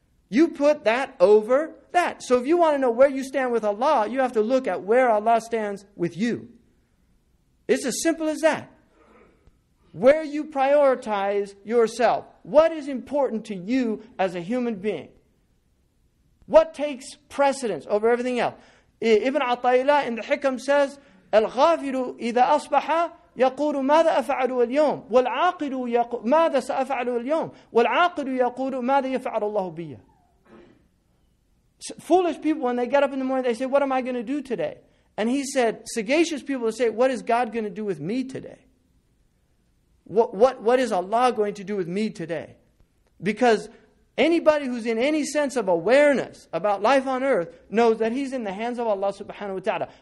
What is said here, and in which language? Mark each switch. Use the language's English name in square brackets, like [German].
[English] You put that over that. So if you want to know where you stand with Allah, you have to look at where Allah stands with you. It's as simple as that. Where you prioritize yourself. What is important to you as a human being? What takes precedence over everything else? [Arabic] Ibn Ataylah in the Hikam says, الغافر إذا أصبح يقول ماذا أفعل اليوم والعاقل يقول ماذا سأفعل اليوم والعاقل يقول ماذا يفعل الله بي. [English] Foolish people, when they get up in the morning, they say, what am I going to do today? And he said, sagacious people say, what is God going to do with me today? What is Allah going to do with me today? Because anybody who's in any sense of awareness about life on earth knows that he's in the hands of Allah subhanahu wa ta'ala.